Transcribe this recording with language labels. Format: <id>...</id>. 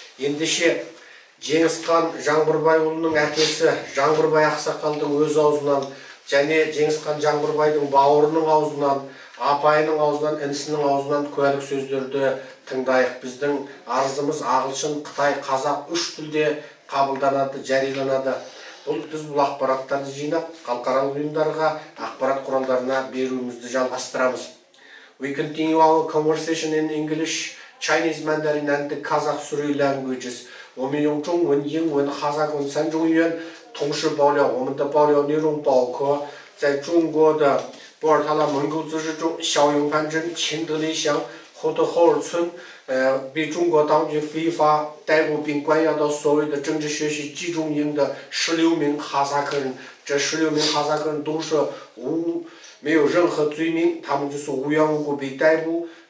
<kk>Ендеше Жеңісхан Жаңбырбайұлының әкесі Жаңбырбай ақсақалдың өз аузынан және Жеңісхан Жаңбырбайдың бауырының аузынан, апайының аузынан, інісінің аузынан куәлік сөздерді тыңдайық. Біздің арызымыз ағылшын, қытай, қазақ үш тілде қабылданады, жарияланады. Бұл біз бұл ақпараттарды жинап халықаралық ұйымдарға, ақпарат құралдарына беруімізді жалғастырамыз.</kk> <en>We continue our conversation in English, Chinese, Mandarin and the Kazakh three languages.</en> <zh>我们用中文、英文、哈萨克三种语言同时爆料。我们的爆料内容包括在中国的布尔塔拉蒙古自治州小永潘镇秦德里乡霍特霍尔村，被中国当局非法逮捕并关押到所谓的政治学习集中营的16名哈萨克人。这16名哈萨克人都是无没有任何罪名，他们就是无缘无故被逮捕。</zh>